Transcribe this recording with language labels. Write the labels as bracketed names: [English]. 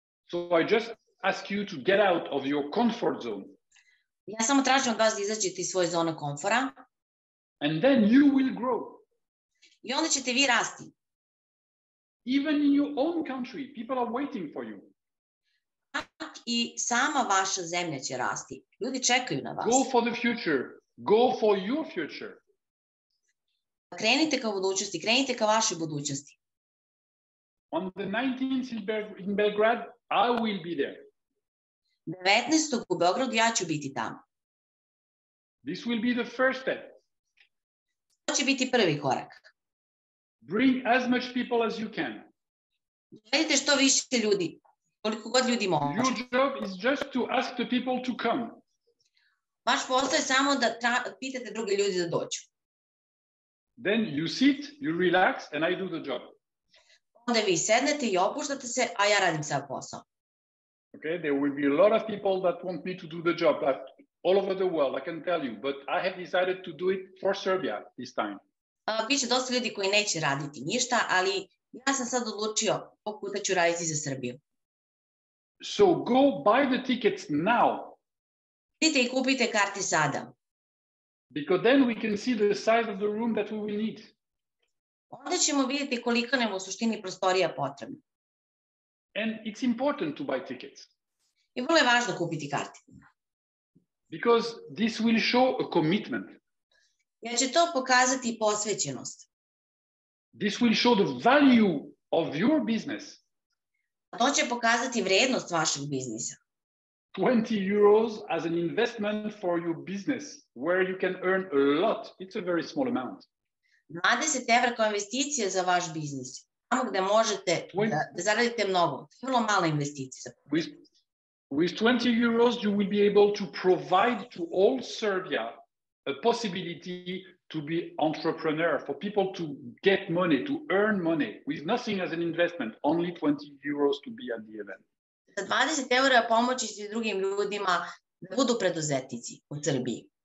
[English] So I just ask you to get out of your comfort zone. [Serbian] Ja samo tražim od vas da izađete iz svoje zone komfora. [English] And then you will grow. [Serbian] I onda ćete vi rasti. [English] Even in your own country, people are waiting for you. [Serbian] Tak i sama vaša zemlja će rasti. Ljudi čekaju na vas. [English] Go for the future. Go for your future. [Serbian] Krenite ka budućnosti, krenite ka vašoj budućnosti. [English] On the 19th in Belgrade, I will be there. [Serbian] 19. u Beogradu ja ću biti tamo. [English] This will be the first step. [Serbian] To će biti prvi korak. [English] Bring as much people as you can. [Serbian] Dovedite što više ljudi, koliko god ljudi može. [English] Your job is just to ask the people to come. [Serbian] Vaš posao je samo da pitate druge ljude da dođu. [English] Then you sit, you relax, and I do the job. [Serbian] Onda vi sednete i opuštate se, a ja radim sav posao. [English] Okay, there will be a lot of people that want me to do the job, but all over the world, I can tell you. But I have decided to do it for Serbia this time. [Serbian] Biće dosta ljudi koji neće raditi ništa, ali ja sam sad odlučio koliko puta ću raditi za Srbiju. [English] So go buy the tickets now. [Serbian] Idite i kupite karte sada. [English] Because then we can see the size of the room that we will need. [Serbian] Onda ćemo vidjeti koliko nam u suštini prostorija potrebno. [English] And it's important to buy tickets. [Serbian] I vrlo je važno kupiti karte. [English] Because this will show a commitment. [Serbian] Ja će to pokazati posvećenost. [English] This will show the value of your business. [Serbian] To će pokazati vrednost vašeg biznisa. [English] 20 euros as an investment for your business, where you can earn a lot. It's a very small amount. [Serbian] 20 evra kao investicija za vaš biznis. Tamo gde možete da zaradite mnogo. Vrlo mala investicija. [English] With 20 euros, you will be able to provide to all Serbia a possibility to be entrepreneur, for people to get money, to earn money, with nothing as an investment, only 20 euros to be at the event. [Serbian] Sa 20 eura pomoći ćete drugim ljudima da budu preduzetnici u Srbiji.